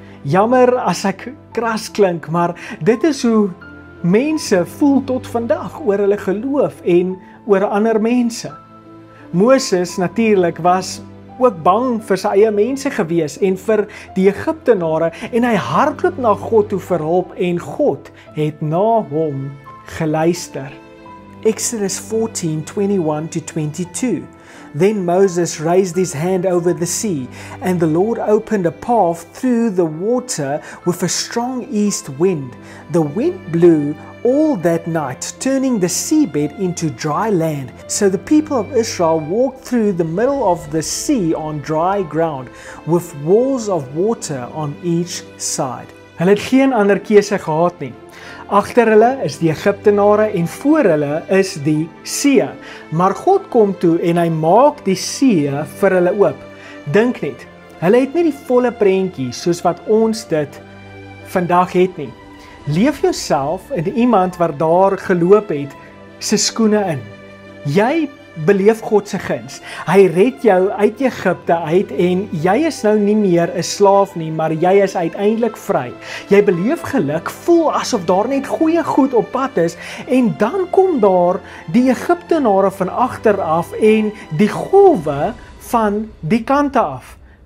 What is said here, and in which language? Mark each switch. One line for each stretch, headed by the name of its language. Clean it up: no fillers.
Afrikaans: Jammer as ek kras klink, maar dit is hoe mense voel tot vandag oor hulle geloof en oor ander mense. Moses natuurlik was ook bang vir sy eie mense gewees en vir die Egiptenare en hy hardloop na God toe vir hulp en God het na hom geluister.
English: Exodus 14:21-22. Then Moses raised his hand over the sea, and the Lord opened a path through the water with a strong east wind. The wind blew all that night, turning the seabed into dry land. So the people of Israel walked through the middle of the sea on dry ground, with walls of water on each side.
Afrikaans: Hulle het geen ander keuse gehad nie. Agter hulle is die Egiptenare en voor hulle is die see. Maar God kom toe en hy maak die see vir hulle oop. Dink net, hulle het nie die volle prentjie soos wat ons dit vandag het nie. Leef jouself in iemand wat daar geloop het se skoene in. Jy beleef God se guns. Hy red jou uit Egipte uit en jy is nou nie meer 'n slaaf nie, maar jy is uiteindelik vry. Jy beleef geluk, voel asof daar net goeie goed op pad is en dan kom daar die Egiptenare van agter af en die golwe van die kante af.